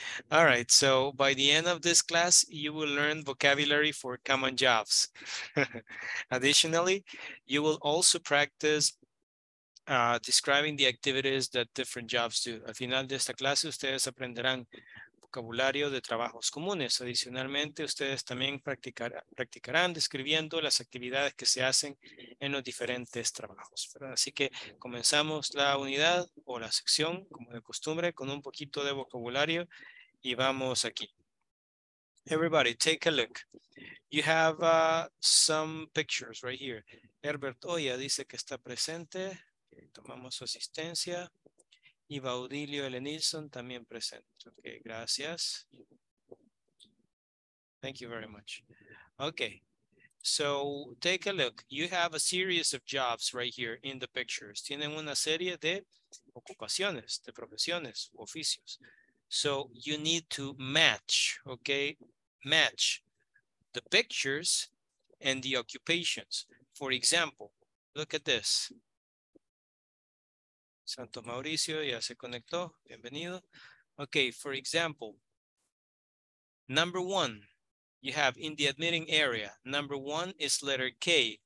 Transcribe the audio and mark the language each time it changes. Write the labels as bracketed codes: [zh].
[en] All right, so by the end of this class, you will learn vocabulary for common jobs. Additionally, you will also practice describing the activities that different jobs do. [es] Al final de esta clase, ustedes aprenderán vocabulario de trabajos comunes. Adicionalmente, ustedes también practicarán describiendo las actividades que se hacen en los diferentes trabajos. Así que comenzamos la unidad o la sección, como de costumbre, con un poquito de vocabulario y vamos aquí. [en] Everybody, take a look. You have some pictures right here. [es] Herbert Oya dice que está presente. Tomamos su asistencia. Y Baudilio Elenilson también presente. Ok, gracias. [en] Thank you very much. Ok, so take a look. You have a series of jobs right here in the pictures. [es] Tienen una serie de ocupaciones, de profesiones, oficios. [en] So you need to match, ok, match the pictures and the occupations. For example, look at this. [es] Santo Mauricio ya se conectó. Bienvenido. [en] Okay, for example, number one, you have in the admitting area, number one is letter K.